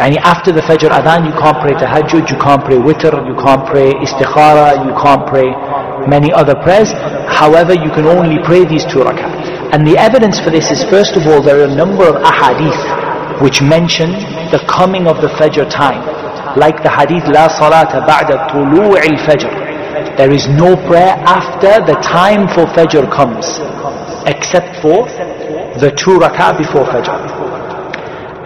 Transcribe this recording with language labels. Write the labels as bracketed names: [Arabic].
[English] And after the Fajr Adhan, you can't pray Tahajjud, you can't pray Witr, you can't pray Istikhara, you can't pray many other prayers. However, you can only pray these two rak'ah. And the evidence for this is, first of all, there are a number of ahadith which mention the coming of the Fajr time. Like the hadith, [Arabic] لا صلاة بعد طلوع الفجر. [English] There is no prayer after the time for Fajr comes, except for the two rak'ah before Fajr.